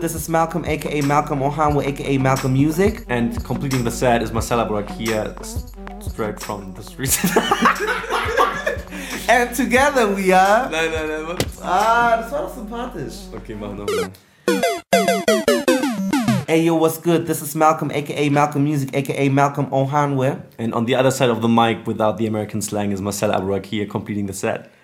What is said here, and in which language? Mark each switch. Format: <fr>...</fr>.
<en>This is Malcolm, aka Malcolm Ohan, with aka Malcolm Music. And completing the set is Marcella Brock here, straight from the streets. And together we are.</en> <de>Nein, das war doch sympathisch.</de> <en>Hey yo, what's good? This is Malcolm, aka Malcolm Music, aka Malcolm Ohan, where. And on the other side of the mic, without the American slang, is Marcella Brock here, completing the set.</en>